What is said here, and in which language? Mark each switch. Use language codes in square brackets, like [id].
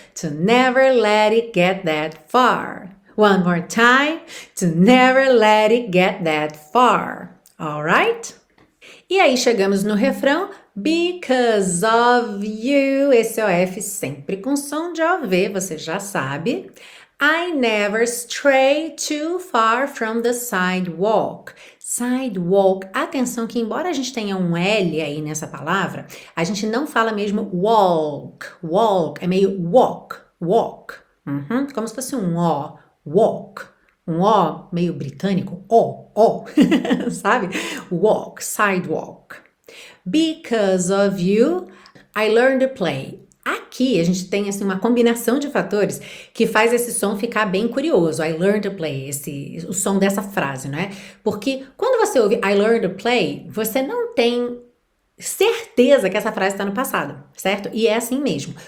[en] To never let it get that far. One more time. To never let it get that far. All right? [pt] E aí, chegamos no refrão. [en] Because of you, [pt] esse OF sempre com som de OV, você já sabe. [en] I never stray too far from the sidewalk. [pt] Sidewalk, atenção que embora a gente tenha um L aí nessa palavra, a gente não fala mesmo walk, walk, é meio walk, walk. Uhum. Como se fosse um O, walk. Um O meio britânico, O, O, sabe? [en] Walk, sidewalk. Because of you, I learned to play. [pt] Aqui a gente tem assim, uma combinação de fatores que faz esse som ficar bem curioso. [en] I learned to play, [pt] o som dessa frase, não é? Porque quando você ouve I learned to play, você não tem certeza que essa frase está no passado, certo? E é assim mesmo.